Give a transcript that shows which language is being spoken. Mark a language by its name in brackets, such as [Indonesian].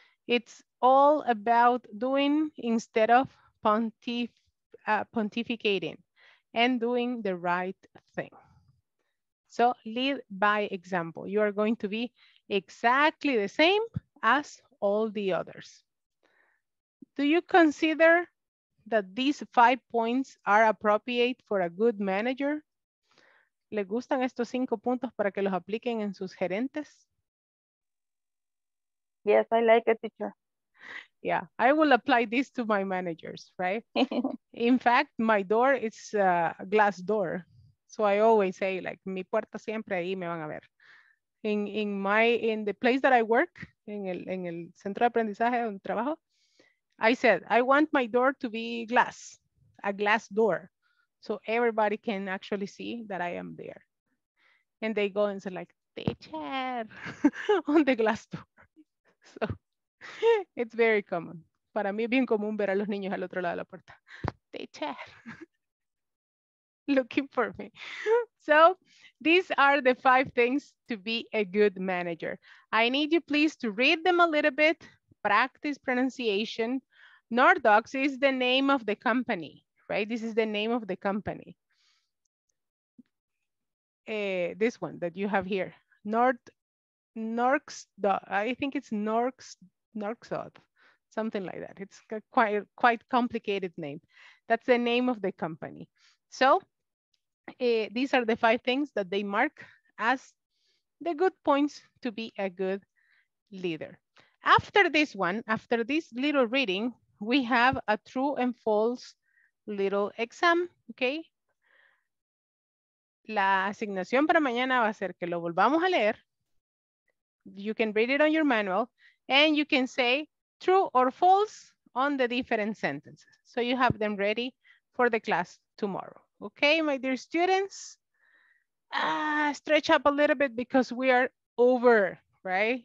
[English] It's all about doing instead of pontificating and doing the right thing. So lead by example. You are going to be exactly the same as all the others. Do you consider that these 5 points are appropriate for a good manager? [Spanish] ¿Le gustan estos 5 puntos para que los apliquen en sus gerentes? [English] Yes, I like it, teacher. Yeah, I will apply this to my managers, right? In fact, my door is a glass door. So I always say, like, [Spanish] mi puerta siempre ahí me van a ver. [English] In the place that I work, [Spanish] en el centro de aprendizaje donde trabajo, [English] I said, I want my door to be glass, a glass door, so everybody can actually see that I am there. And they go and say like, teacher, on the glass door. So it's very common. [Spanish] Para mí es bien común ver a los niños al otro lado de la puerta. [English] Teacher, looking for me. So these are the 5 things to be a good manager. I need you please to read them a little bit, practice pronunciation. NordDocs is the name of the company, right? This is the name of the company. This one that you have here, NordDocs, something like that. It's a quite complicated name. That's the name of the company. So these are the 5 things that they mark as the good points to be a good leader. After this one, after this little reading, we have a true and false little exam, okay? [Spanish] La asignación para mañana va a ser que lo volvamos a leer, [English] you can read it on your manual, and you can say true or false on the different sentences. So you have them ready for the class tomorrow. Okay, my dear students, stretch up a little bit because we are over, right?